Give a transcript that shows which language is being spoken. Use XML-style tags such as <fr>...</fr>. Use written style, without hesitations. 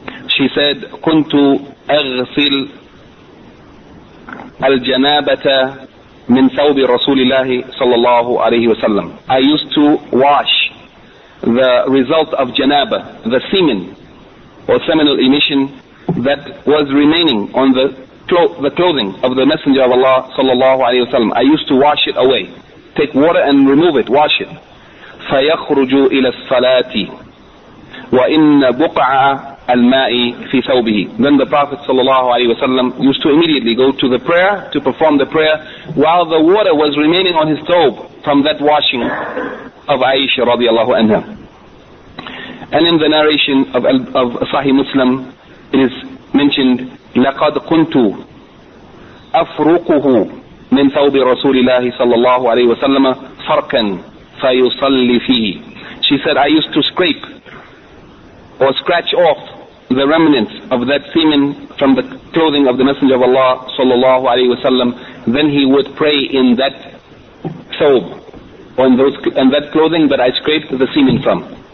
<en>She said,</en> <ar>كُنْتُ أَغْسِلْ الْجَنَابَةَ مِنْ ثَوْبِ رَسُولِ اللَّهِ صَلَّى اللَّهُ عَلَيْهِ وَسَلَّمَ.</ar> <en>I used to wash the result of janaba, the semen or seminal emission that was remaining on the clothing of the Messenger of Allah sallallahu alayhi wa sallam. I used to wash it away, take water and remove it, wash it.</en> <ar>فَيَخْرُجُ إِلَى الصَّلَاةِ وَإِنَّ بُقْعَ الْمَاءِ فِي ثَوْبِهِ.</ar> <en>Then the Prophet sallallahu alayhi wa sallam used to immediately go to the prayer, to perform the prayer, while the water was remaining on his thobe from that washing of Aisha radiallahu anha. And in the narration of Sahih Muslim, it is mentioned,</en> <ar>لَقَدْ كُنْتُ أَفْرُقُهُ مِنْ ثَوْبِ رَسُولِ اللَّهِ صَلَّى اللَّهُ عَلَيْهِ وَسَلَّمَ فَرْكًا فَيُصَلِّ فِيهِ.</ar> <en>She said, I used to scrape or scratch off the remnants of that semen from the clothing of the Messenger of Allah sallallahu alayhi wasallam. Then he would pray in that thawb, on those and that clothing that I scraped the semen from.</en>